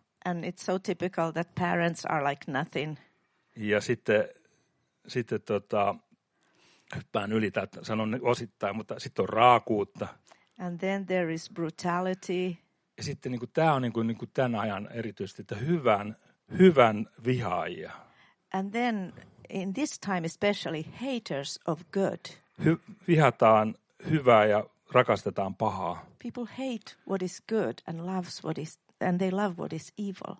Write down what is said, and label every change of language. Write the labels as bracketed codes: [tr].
[en] And it's so typical that parents are like nothing. [fi] Ja sitten hyppään yli, tai sanon osittain, mutta sitten on raakuutta. [en] And then there is brutality. [fi] Ja sitten niin kuin, tämä on niin kuin tämän ajan erityisesti, että hyvän vihaajia. [en] And then in this time especially haters of good. [fi] Vihataan hyvää ja rakastetaan pahaa. [en] People hate what is good and loves what is and they love what is evil.